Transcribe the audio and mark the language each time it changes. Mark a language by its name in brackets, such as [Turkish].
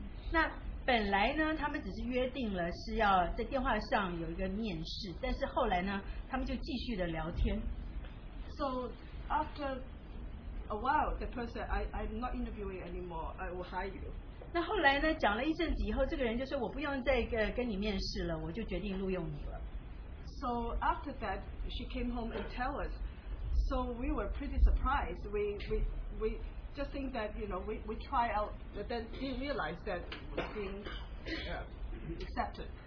[Chinese] 那本来呢，他们只是约定了是要在电话上有一个面试，但是后来呢，他们就继续的聊天。 [English] So after a while, the person I'm not interviewing anymore. I will hire you. [Chinese] 那后来呢，讲了一阵子以后，这个人就说我不用再跟你面试了，我就决定录用你了。 [English] So after that, she came home and tell us. So we were pretty surprised. We just think that, you know, we try out, but then didn't realize that we're being accepted.